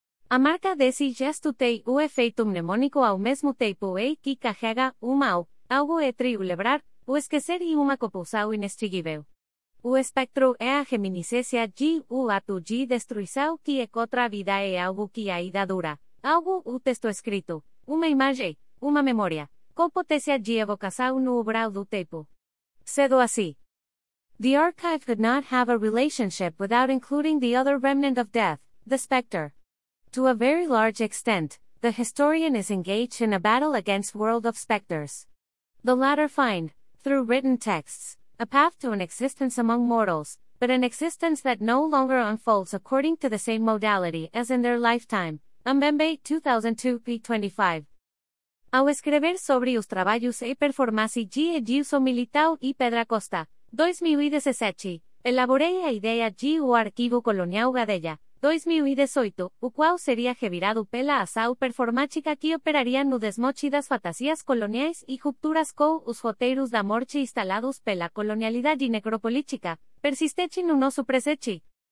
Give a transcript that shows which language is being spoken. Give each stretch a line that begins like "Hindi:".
Portuguese: A marca desse gesto tem o efeito mnemônico ao mesmo tempo e que carrega o mal, algo entre o lembrar, o esquecer e uma compulsão inextinguível. O espectro é a reminiscência de o ato de destruição que é contra a vida e algo que ainda dura. Algo, o texto escrito, uma imagem, uma memória, com potência de evocação no umbral do tempo. Cedo assim.
English: The archive could not have a relationship without including the other remnant of death, the specter. To a very large extent, the historian is engaged in a battle against world of specters. The latter find, through written texts, a path to an existence among mortals, but an existence that no longer unfolds according to the same modality as in their lifetime.
Portuguese: Amembe, 2002, p. 25. Ao escrever sobre os trabalhos e performance de Edilson Militão e Pedra Costa, 2017, elaborei a ideia de o arquivo colonial Gadelha, 2018, o qual seria revirado pela ação performática que operaria no desmoche das fantasias coloniais e rupturas com os roteiros da morte instalados pela colonialidade necropolítica, persistente no nosso presente.